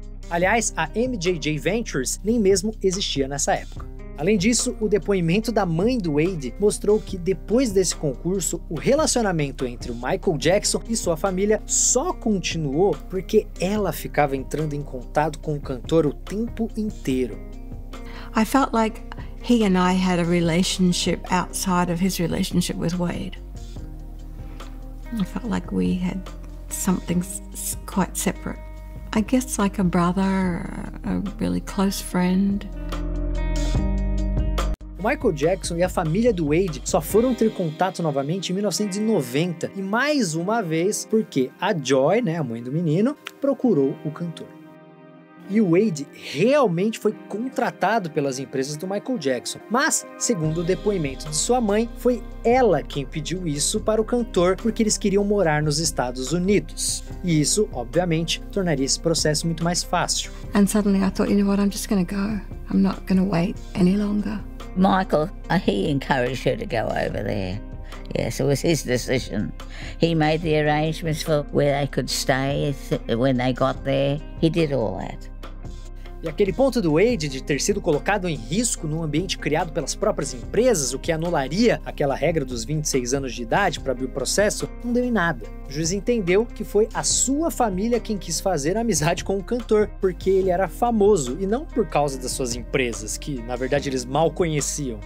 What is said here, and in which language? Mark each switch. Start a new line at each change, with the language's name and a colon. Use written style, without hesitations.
Portuguese: Aliás, a MJJ Ventures nem mesmo existia nessa época. Além disso, o depoimento da mãe do Wade mostrou que, depois desse concurso, o relacionamento entre o Michael Jackson e sua família só continuou porque ela ficava entrando em contato com o cantor o tempo inteiro.
English: I felt like he and I had a relationship outside of his relationship with Wade. I felt like we had something quite separate. I guess like a brother, a really close friend.
Portuguese: Michael Jackson e a família do Wade só foram ter contato novamente em 1990 e mais uma vez porque a Joy, né, a mãe do menino, procurou o cantor. E o Wade realmente foi contratado pelas empresas do Michael Jackson, mas, segundo o depoimento de sua mãe, foi ela quem pediu isso para o cantor porque eles queriam morar nos Estados Unidos. E isso, obviamente, tornaria esse processo muito mais fácil.
English: And suddenly I thought, you know what, I'm just gonna go. I'm not gonna wait any longer. Michael, he encouraged her to go over there. Yes, it was his decision. He made the arrangements for where they could stay when they got there. He did all that.
Portuguese: E aquele ponto do Wade de ter sido colocado em risco num ambiente criado pelas próprias empresas, o que anularia aquela regra dos 26 anos de idade para abrir o processo, não deu em nada. O juiz entendeu que foi a sua família quem quis fazer amizade com o cantor, porque ele era famoso, e não por causa das suas empresas, que na verdade eles mal conheciam.